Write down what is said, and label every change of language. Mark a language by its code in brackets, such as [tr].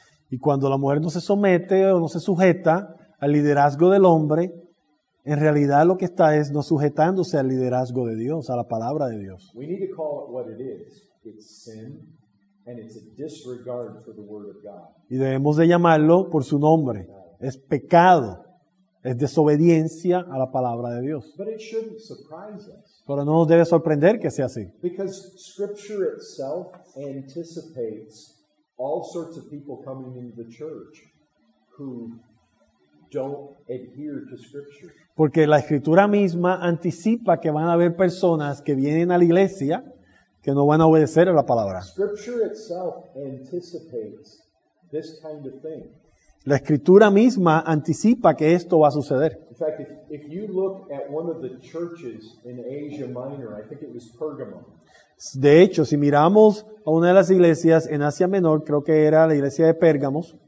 [es] y cuando la mujer no se somete o no se sujeta al liderazgo del hombre, en realidad lo que está es no sujetándose al liderazgo de Dios, a la palabra de Dios. [en] We need to call it what it is. It's sin. And it's a disregard for the word of God. [es] Y debemos de llamarlo por su nombre. Es pecado. Es desobediencia a la palabra de Dios. [en] But it shouldn't surprise us. [es] Pero no nos debe sorprender que sea así. [en] Because scripture itself anticipates all sorts of people coming into the church who don't adhere to scripture. [es] Porque la escritura misma anticipa que van a haber personas que vienen a la iglesia que no van a obedecer a la palabra. [en] Scripture itself anticipates this kind of thing. [es] La escritura misma anticipa que esto va a suceder. [en] In fact, if you look at one of the churches in Asia Minor, I think it was Pergamum. [es] De hecho, si miramos a una de las iglesias en Asia Menor, creo que era la iglesia de Pérgamos.